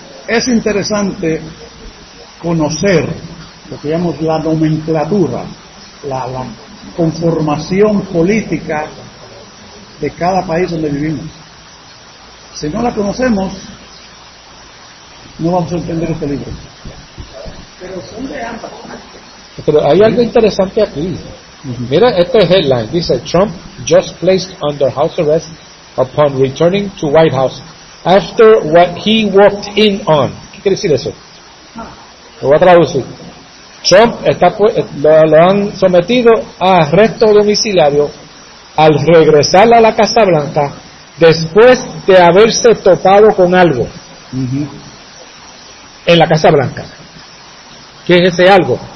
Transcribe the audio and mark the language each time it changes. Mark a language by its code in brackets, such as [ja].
[es] Es interesante conocer lo que llamamos la nomenclatura, la conformación política de cada país donde vivimos. Si no la conocemos, no vamos a entender este libro. Pero son de ambas partes. Pero hay algo interesante aquí. Mira este headline, dice: [en] Trump just placed under house arrest upon returning to White House after what he walked in on. [es] ¿Qué quiere decir eso? Lo voy a traducir. Trump está lo han sometido a arresto domiciliario al regresar a la Casa Blanca después de haberse topado con algo en la Casa Blanca. ¿Qué es ese algo?